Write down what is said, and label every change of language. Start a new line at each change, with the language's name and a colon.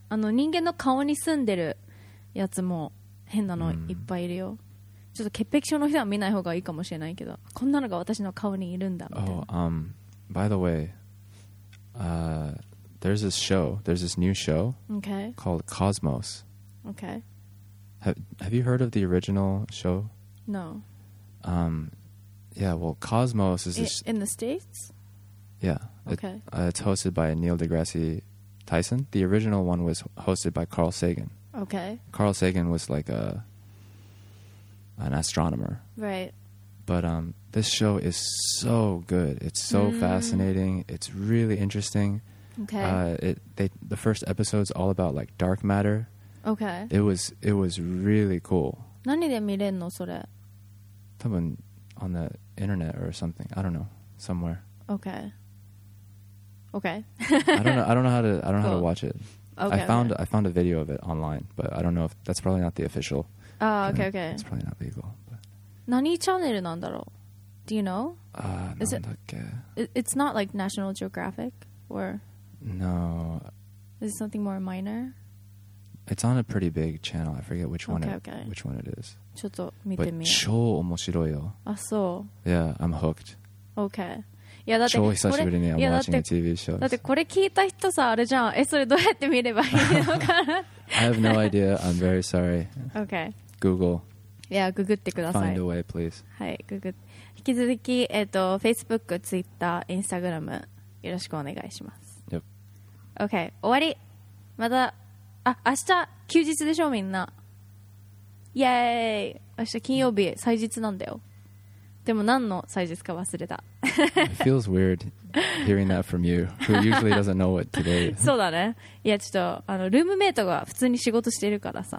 Japanese: あの人間の顔に住んでるやつも変なのいっぱいいるよ。ちょっと潔癖症の人は見ない方がいいかもしれないけど、こんなのが私の顔にいるんだみたいな。
English: Oh, by the way, there's this show, there's this new show、 okay. called Cosmos. Okay. Have you heard of the original show? No. Yeah, well, Cosmos is... In the States? Yeah. Okay. It's hosted by Neil deGrasse Tyson. The original one was hosted by Carl Sagan. Okay. Carl Sagan was like an astronomer. Right. But this show is so good. It's so fascinating. It's really interesting. Okay. The first episode's all about like dark matter. Okay. It was really cool.
Japanese: 何で見れんのそれ？多分
English: on the internet or something. I don't know. Somewhere. Okay. Okay. I don't know how to watch it. Okay. I found a video of it online, but I don't know if that's probably not the official. Okay. It's probably not legal. But...
Japanese: 何チャンネルなんだろう？
English: Do you know? Is it? It's not like National Geographic. Or no, is it something more minor? It's on a pretty big channel. I forget which one. Okay, which one it is.
Japanese: ちょっと見てみよう。 But 超面白いよ。あ、そう。
English: Yeah, I'm hooked. Okay. Yeah, that's
Japanese: 超久しぶりに
English: I'm watching a TV show.
Japanese: だってこれ聞いた人さあれじゃん。え、それどうやって見ればいいのかな。
English: I have no idea. I'm very sorry. Okay. Google.
Japanese: Yeah, ググってください。
English: Find a way, please.
Japanese: はい、ググ。引き続き Facebook、Twitter、Instagram。よろしくお願いします、
English: yep.
Japanese: OK 終わり。またあ明日休日でしょみんな。イエーイ。明日金曜日祭日なんだよ。でも何の祭日か忘れた。
English: It feels weird hearing that from you who usually doesn't know what today is.
Japanese: そうだね。いやちょっとあのルームメイトが普通に仕事してるからさ。